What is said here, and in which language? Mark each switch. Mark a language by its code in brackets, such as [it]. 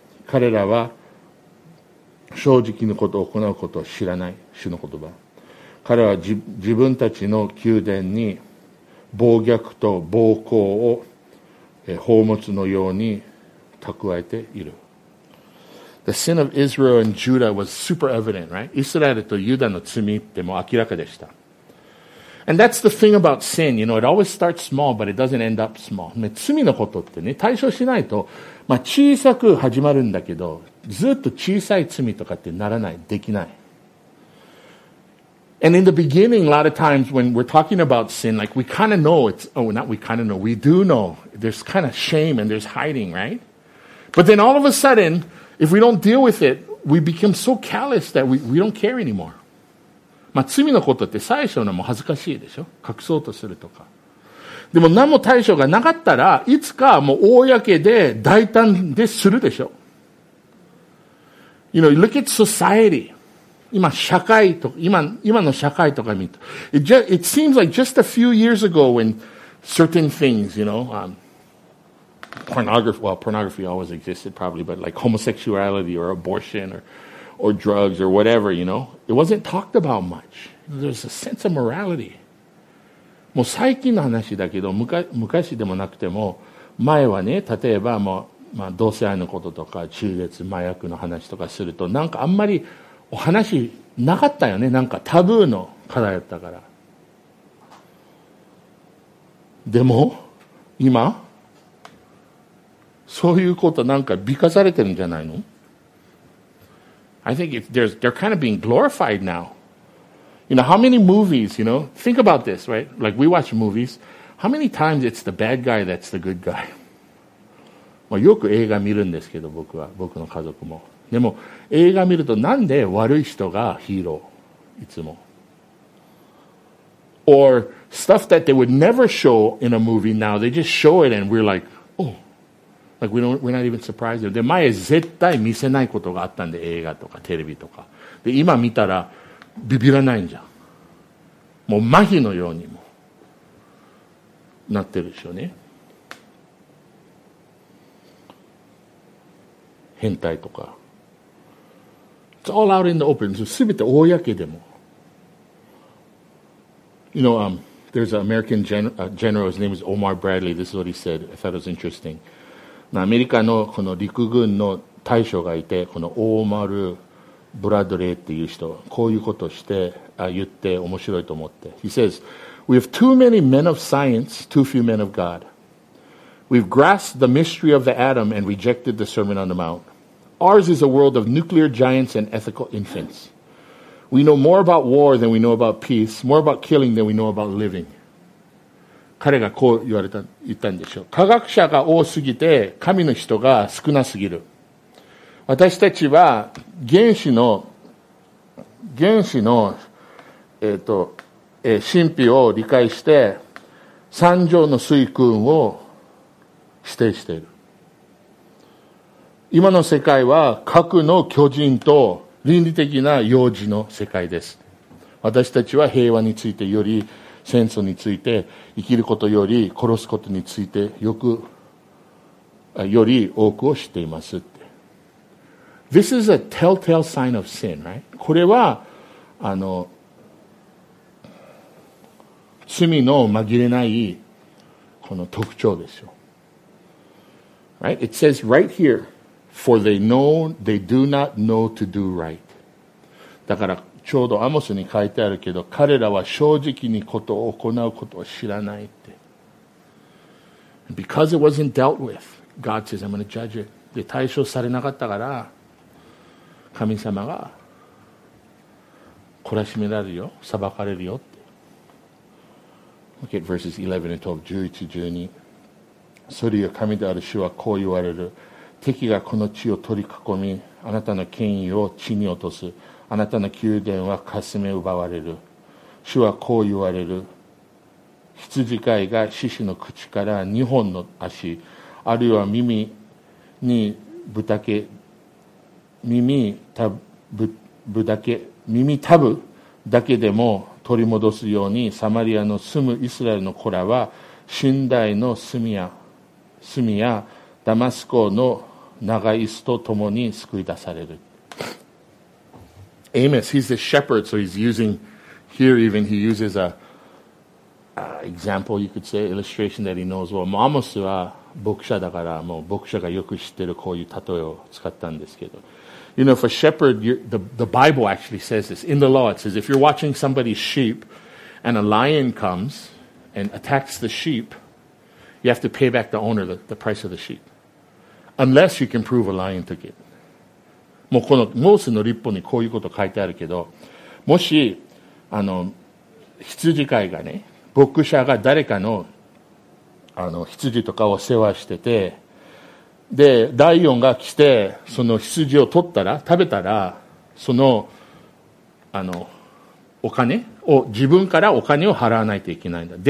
[ja] 彼らは正直のことを行うことを知らない。主の言葉、彼は自分たちの宮殿に暴虐と暴行を宝物のように蓄えている。 [en] The sin of Israel and Judah was super evident, right? [ja] イスラエルとユダの罪ってもう明らかでした。 [en] And that's the thing about sin, you know, it always starts small, but it doesn't end up small. [ja] 罪のことってね、対処しないと、まあ、小さく始まるんだけど、ずっと小さい罪とかってならない、できない。 [en] And in the beginning, a lot of times when we're talking about sin, like we kind of know it's, oh, not we kind of know, we do know. There's kind of shame and there's hiding, right? But then all of a sudden, if we don't deal with it, we become so callous that we don't care anymore. [ja] まあ罪のことって最初のも恥ずかしいでしょ？隠そうとするとか。でも何も対処がなかったら、いつかもう公で大胆でするでしょ。 [en] You know, look at society. [ja] 今社会と、今の社会とか見ると。 [en] It seems like just a few years ago when certain things, you know,、pornography always existed probably, but like homosexuality or abortion or drugs or whatever, you know, it wasn't talked about much. There's a sense of morality. [ja] もう最近の話だけど、昔でもなくても、前はね、例えばもう、まあ、同性愛のこととか、中絶、麻薬の話とかすると、なんかあんまりお話なかったよね。なんかタブーの課題だったから。でも、今、そういうことなんか美化されてるんじゃないの？ [en] I think they're kind of being glorified now. You know, how many movies, you know, think about this, right? Like, we watch movies. How many times it's the bad guy that's the good guy? [ja] まあよく映画見るんですけど、僕の家族も。でも、映画見るとなんで悪い人がヒーロー、いつも。 [en] Or stuff that they would never show in a movie now, they just show it and we're like, oh. Like, we're not even surprised. で、 [ja] 前絶対見せないことがあったんで、映画とかテレビとか。で、今見たら、ビビらないんじゃん。もう麻痺のようにもなってるでしょうね。変態とか。 [en] It's all out in the open. [ja] すべて公でも。 [en] You know, there's an American general, his name is Omar Bradley. This is what he said. I thought it was interesting. [ja] アメリカのこの陸軍の大将がいて、このオーマル・ブラッドレーっていう人、こういうことして、言って面白いと思って。 [en] He says, We have too many men of science, too few men of God. We've grasped the mystery of the atom and rejected the Sermon on the Mount. Ours is a world of nuclear giants and ethical infants. We know more about war than we know about peace, more about killing than we know about living. [ja] 彼がこう言ったんでしょう。科学者が多すぎて、神の人が少なすぎる。私たちは原子の、神秘を理解して三条の水君を指定している。今の世界は核の巨人と倫理的な幼児の世界です。私たちは平和についてより、戦争について、生きることより殺すことについてより多くを知っています。 [en] This is a telltale sign of sin, right? [ja] これは、あの、罪の紛れないこの特徴ですよ。 [en] Right? It says right here, for they know, they do not know to do right. [ja] だから、ちょうどアモスに書いてあるけど、彼らは正直にことを行うことを知らないって。 [en] Because it wasn't dealt with, God says, I'm going to judge it. [ja] で、対処されなかったから、神様が懲らしめられるよ、裁かれるよって。 [en] Look at verses 11 and 12, 11、12。 [ja] それよ、神である主はこう言われる。敵がこの地を取り囲み、あなたの権威を地に落とす。あなたの宮殿はかすめ奪われる。主はこう言われる。羊飼いが獅子の口から二本の足、あるいは耳にぶたけ、耳たぶ、ぶだけ、耳たぶだけでも取り戻すように、サマリアの住むイスラエルの子らは、寝台の炭や、ダマスコの長椅子と共に救い出される。 [en] Amos, he's the shepherd, so he's using, here even he uses a, example, you could say, illustration that he knows well. [ja] もうアモスは牧者だから、もう牧者がよく知ってるこういう例えを使ったんですけど。 [en] You know, if a shepherd, the Bible actually says this. In the law, it says, if you're watching somebody's sheep and a lion comes and attacks the sheep, you have to pay back the owner the price of the sheep. Unless you can prove a lion took it. [ja] もうこのモーセの律法にこういうこと書いてあるけど、もし、あの、羊飼いがね、牧者が誰かの、あの、羊とかを世話してて、で、ライオンが来て、その羊を取ったら、食べたら、その、あの、お金を、自分からお金を払わないといけないんだ。